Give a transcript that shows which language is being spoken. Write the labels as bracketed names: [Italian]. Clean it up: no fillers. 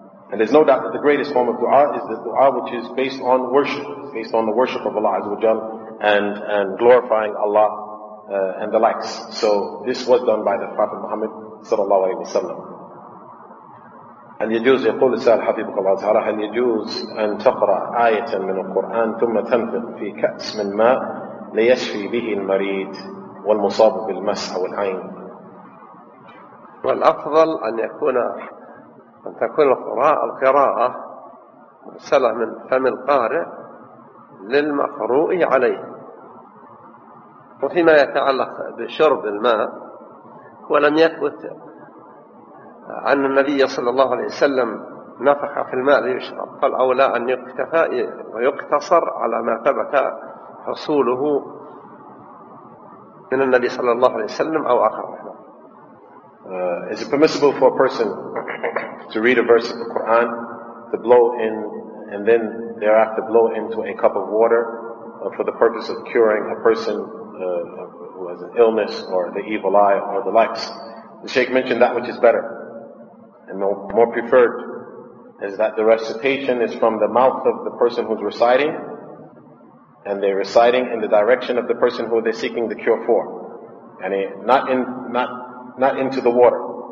[English] And there's no doubt that the greatest form of dua is the dua which is based on worship. It's based on the worship of Allah Azza wa Jal and glorifying Allah and the likes. So this was done by the Prophet Muhammad sallallahu alayhi wa sallam. [Arabic] هل يجوز يقول السائل حفظك الله تعالى هل يجوز أن تقرأ آية من القرآن ثم تنفق في كأس من ماء ليشفي به المريض والمصاب بالمس أو العين؟ والأفضل أن تكون القراءة مرسلة من فم القارئ للمقروء عليه. وفيما يتعلق بشرب الماء ولم يثبت أن النبي صلى الله عليه وسلم نفخ في الماء ليشرب، فالأولى أن يكتفى ويقتصر على ما ثبت حصوله من النبي صلى الله عليه وسلم أو آخره. [English] Is it permissible for a person to read a verse of the Quran, to blow in, and then thereafter blow into a cup of water for the purpose of curing a person who has an illness or the evil eye or the likes? The Shaykh mentioned that which is better and more preferred is that the recitation is from the mouth of the person who's reciting, and they're reciting in the direction of the person who they're seeking the cure for, and not into the water.